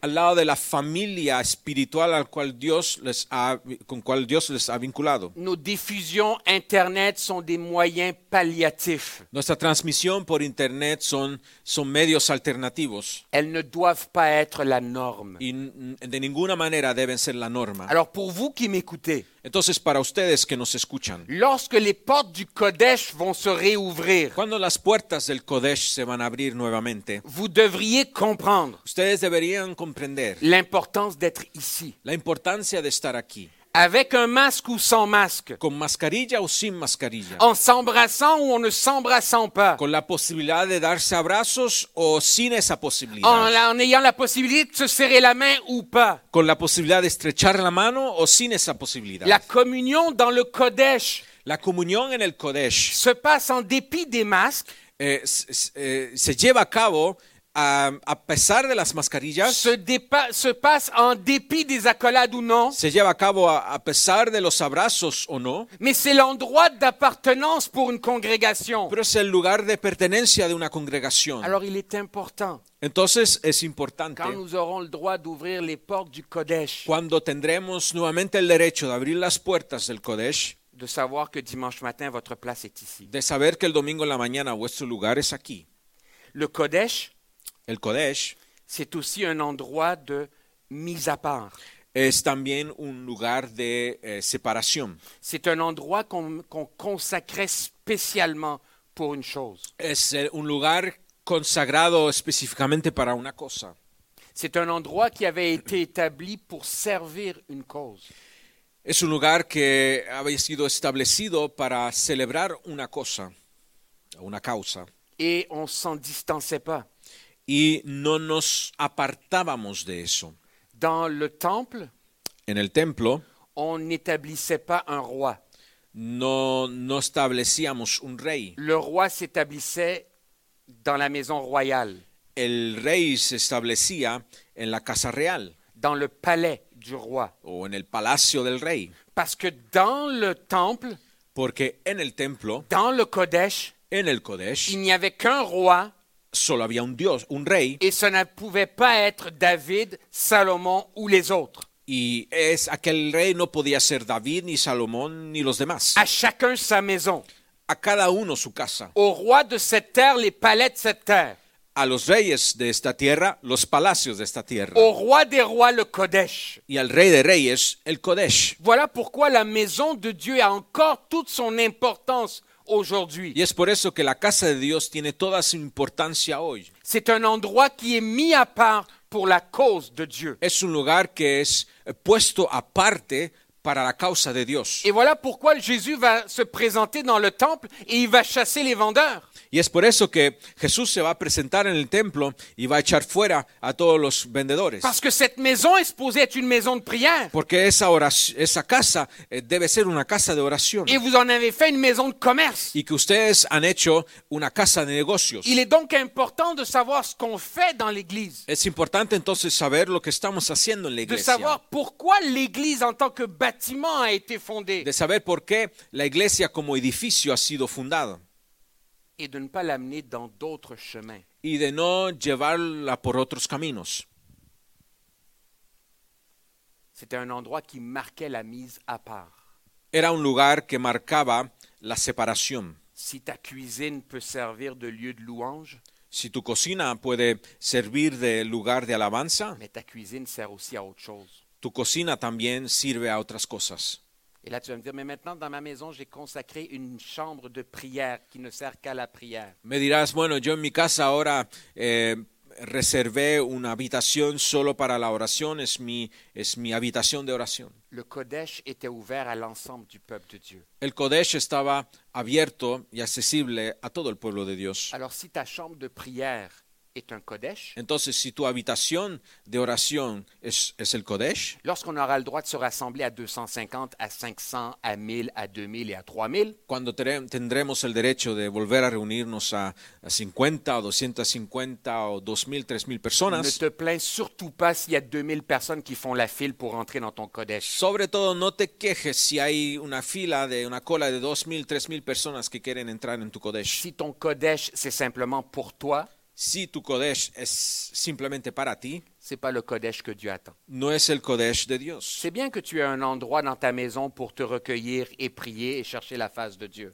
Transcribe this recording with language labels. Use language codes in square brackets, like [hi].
[es] Al lado de la familia espiritual al cual Dios les ha, con cual Dios les ha vinculado. [fr] Nos diffusions internet sont des moyens palliatifs. [es] Nuestra transmisión por internet son medios alternativos. [fr] Elles ne doivent pas être la norme. [es] Y de ninguna manera deben ser la norma. [fr] Alors pour vous qui m'écoutez. [es] Entonces para ustedes que nos escuchan. [fr] Lorsque les portes du Kodesh vont se réouvrir. [es] Cuando las puertas del Kodesh se van a abrir nuevamente. [fr] Vous devriez comprendre. [es] Ustedes deberían comprender. [fr] L'importance d'être ici. [es] La importancia de estar aquí. [fr] Avec un masque ou sans masque. [es] Con mascarilla o sin mascarilla. [fr] En s'embrassant ou en ne s'embrassant pas. [es] Con la posibilidad de darse abrazos o sin esa posibilidad. [fr] En ayant la posibilidad de se serrer la main ou pas. [es] Con la posibilidad de estrechar la mano o sin esa posibilidad. [fr] La communion dans le Kodesh. [es] La comunión en el Kodesh. [fr] Se passe en dépit des masques. [es] Se lleva a cabo. A pesar de las mascarillas, [fr] se passe en dépit des accolades ou non. [es] Se lleva a cabo a pesar de los abrazos o no. [fr] Mais c'est l'endroit d'appartenance pour une congrégation. [es] Pero es el lugar de pertenencia de una congregación. [fr] Alors il est important. [es] Entonces es importante. [fr] Quand nous aurons le droit d'ouvrir les portes du Kodesh. [es] Cuando tendremos nuevamente el derecho de abrir las puertas del Kodesh. [fr] De savoir que dimanche matin votre place est ici. [es] De saber que el domingo en la mañana vuestro lugar es aquí. [fr] Le Kodesh. [es] El Kodesh, [fr] c'est aussi un endroit de mise à part. [es] Es también un lugar de separación. [fr] C'est un endroit qu'on consacrait spécialement pour une chose. [es] Es un lugar consagrado específicamente para una cosa. [fr] C'est un endroit qui avait été établi pour servir une cause. [es] Es un lugar que había sido establecido para celebrar una cosa, una causa. [fr] Et on s'en distanciait pas. [es] Y no nos apartábamos de eso. [fr] Dans le temple, [es] en el templo, [fr] on n'établissait pas un roi. [es] No establecíamos un rey. [fr] Le roi s'établissait dans la maison royale. [es] El rey se establecía en la casa real. [fr] Dans le palais du roi. [es] O en el palacio del rey. [fr] Parce que dans le temple, [es] porque en el templo, [fr] dans le Kodesh, [es] en el Kodesh, [fr] il n'y avait qu'un roi. [es] Solo había un Dios, un rey. [fr] Et ce ne pouvait pas être David, Salomon ou les autres. [es] Y es aquel rey no podía ser David ni Salomón ni los demás. [fr] À chacun sa maison. [es] A cada uno su casa. [fr] Au roi de cette terre, les palais de cette terre. [es] A los reyes de esta tierra, los palacios de esta tierra. [fr] Au roi des rois, le Kodesh. [es] Y al rey de reyes, el Kodesh. [fr] Voilà pourquoi la maison de Dieu a encore toute son importance. Aujourd'hui. [es] Y es por eso que la casa de Dios tiene toda su importancia hoy. [fr] C'est un endroit qui est mis à part pour la cause de Dieu. [es] Es un lugar que es puesto aparte para la causa de Dios. [fr] Et voilà pourquoi Jésus va se présenter dans le temple et il va chasser les vendeurs. [es] Y es por eso que Jesús se va a presentar en el templo y va a echar fuera a todos los vendedores. [fr] Parce que cette maison est supposée être une maison de prière. [es] Porque esa casa debe ser una casa de oración. [fr] Et vous en avez fait une maison de commerce. [es] Y que ustedes han hecho una casa de negocios. [fr] Il est donc important de savoir ce qu'on fait dans l'église. [es] Es importante entonces saber lo que estamos haciendo en la iglesia. [fr] De savoir pourquoi l'église en tant que bâtiment a été fondée. [es] De saber por qué la iglesia como edificio ha sido fundada. [fr] Et de ne pas l'amener dans d'autres chemins. [es] Y de no llevarla por otros caminos. [fr] C'était un endroit qui marquait la mise à part. [es] Era un lugar que marcaba la separación. [fr] Si ta cuisine peut servir de lieu de louange. [es] Si tu cocina puede servir de lugar de alabanza. [fr] Mais ta cuisine sert aussi à autre chose. [es] Tu cocina también sirve a otras cosas. [fr] Et là, tu vas me dire, mais maintenant, dans ma maison, j'ai consacré une chambre de prière qui ne sert qu'à la prière. [es] Me dirás, bueno, yo en mi casa ahora reservé una habitación solo para la oración, es mi habitación de oración. [fr] Le Kodesh était ouvert à l'ensemble du peuple de Dieu. [es] El Kodesh estaba abierto y accesible a todo el pueblo de Dios. [fr] Alors, si ta chambre de prière est un Kodesh. [es] Entonces, si tu habitación de oración es el Kodesh. [fr] Lorsqu'on aura le droit de se rassembler à 250, à 500, à 1000, à 2000 et à 3000. [es] Cuando tendremos el derecho de volver a reunirnos a 50, a 250, o 2000, 3000 personas. [fr] Ne te plains surtout pas s'il y a 2000 personnes qui font la file pour entrer dans ton Kodesh. [es] Sobre todo, no te quejes si hay una fila de una cola de 2000, 3000 personas que quieren entrar en tu Kodesh. [fr] Si ton Kodesh, c'est simplement pour toi. [es] si tu kodesh es simplemente para ti, [fr] c'est pas le kodesh que Dieu attend. [es] No es el kodesh de Dios. [fr] C'est bien que tu aies un endroit dans ta maison pour te recueillir et prier et chercher la face de Dieu.